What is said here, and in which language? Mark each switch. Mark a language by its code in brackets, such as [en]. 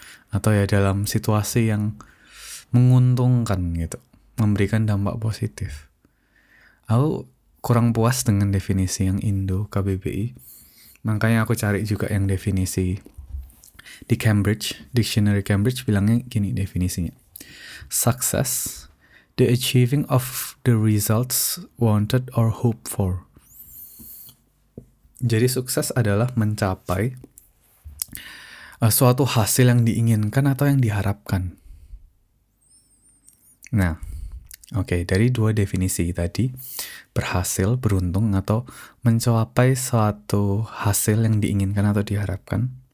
[id] Atau ya dalam situasi yang menguntungkan gitu. Memberikan dampak positif. Aku kurang puas dengan definisi yang Indo KBBI. Makanya aku cari juga yang definisi di Cambridge. Dictionary Cambridge bilangnya gini definisinya. [en] Success, the achieving of the results wanted or hoped for. [id] Jadi sukses adalah mencapai suatu hasil yang diinginkan atau yang diharapkan. Nah, okay, dari dua definisi tadi, berhasil, beruntung, atau mencapai suatu hasil yang diinginkan atau diharapkan.